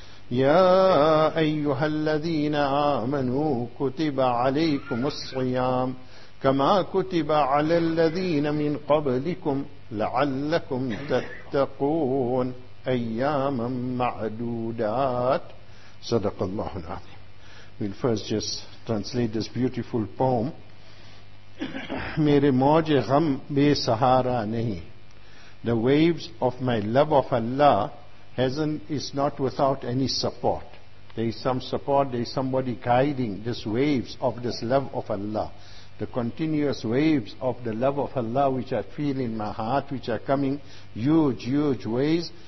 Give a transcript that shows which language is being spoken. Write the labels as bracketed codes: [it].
[ar] يا أيها الذين آمنوا كتب عليكم الصيام كما كتب على الذين من قبلكم لعلكم تتقون أياما معدودات صدق الله العظيم. [en] We'll first just translate this beautiful poem. [ur] میرے موج غم بے سہارا نہیں. [en] The waves of my love of Allah is not without any support. There is some support, there is somebody guiding this waves of this love of Allah. The continuous waves of the love of Allah which I feel in my heart, which are coming huge, huge waves.